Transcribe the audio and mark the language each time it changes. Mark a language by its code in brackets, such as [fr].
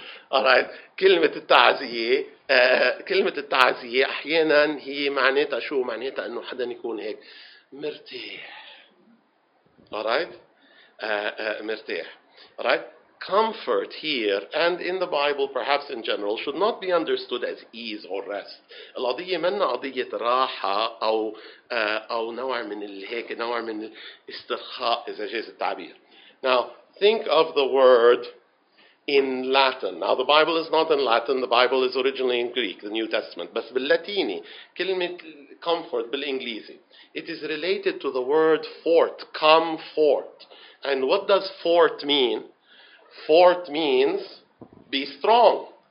[ar] Alright, كلمة التعزية أحيانا هي معناتها شو؟ معناتها أنه حدا يكون هيك مرتاح. Alright, مرتاح. Alright, [en] comfort here and in the Bible perhaps in general should not be understood as ease or rest. [ar] القضية منا قضية راحة أو نوع من الهيك نوع من الاسترخاء إذا جاز التعبير. [en] Now think of the word in Latin. Now the Bible is not in Latin. The Bible is originally in Greek, the New Testament. [ar] بس باللاتيني كلمة comfort بالإنجليزي. [en] It is related to the word fort, come fort. And what does fort mean? Fort means be strong.